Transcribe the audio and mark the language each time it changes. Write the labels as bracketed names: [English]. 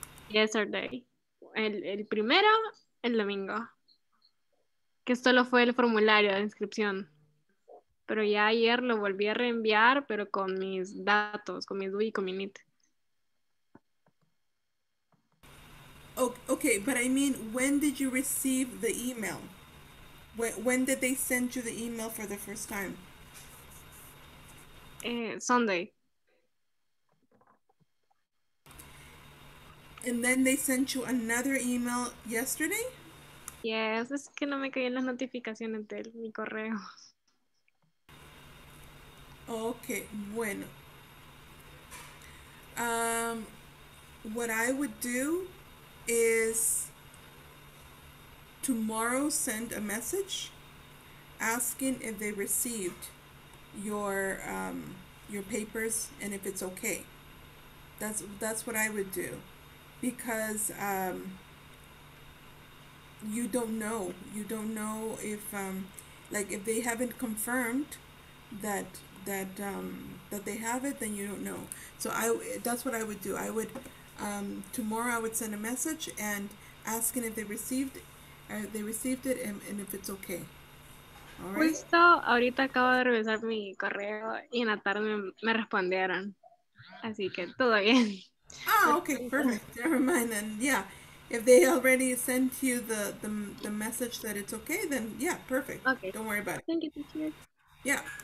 [Spanish] Yesterday. El primero, el domingo. Que solo fue el formulario de inscripción. Pero ya ayer lo volví a reenviar, pero con mis datos, con mi DUI, con mi NIT. [English] Okay, but I mean, when did you receive the email? When did they send you the email for the first time? Sunday. And then they sent you another email yesterday? [Spanish] Yes, es que no me caían las notificaciones de mi correo. Okay, bueno. [English] What I would do is tomorrow send a message asking if they received your papers and if it's okay. That's what I would do, because you don't know if like if they haven't confirmed that they have it, then you don't know. So that's what I would do. I would tomorrow I would send a message and asking if they received it and if it's okay. All right. [Spanish] Justo ahorita acabo de revisar mi correo y en la tarde me respondieron. Así que todo bien. [English] Ah, okay, perfect. Never mind then. Yeah. If they already sent you the message that it's okay, then yeah, perfect. Okay. Don't worry about it. Thank you, teacher. Yeah.